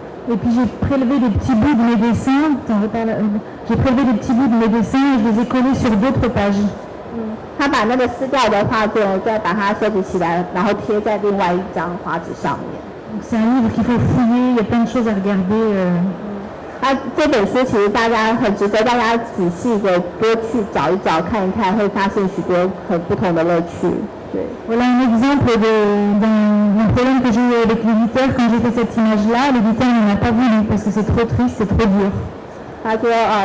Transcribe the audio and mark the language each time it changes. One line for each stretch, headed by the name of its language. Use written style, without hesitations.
French: Et puis j'ai prélevé des petits bouts de mes dessins et je les ai collés sur d'autres pages. C'est un livre qu'il faut fouiller, il y a plein de choses à regarder.
Chinese: 这本书其实大家很值得大家仔细的多去找一找看一看，会发现许多很不同的乐趣。
French: Voilà un exemple d'un problème que j'ai eu avec l'éditeur quand j'ai fait cette image-là. L'éditeur n'en a pas voulu parce que c'est trop triste, c'est trop dur.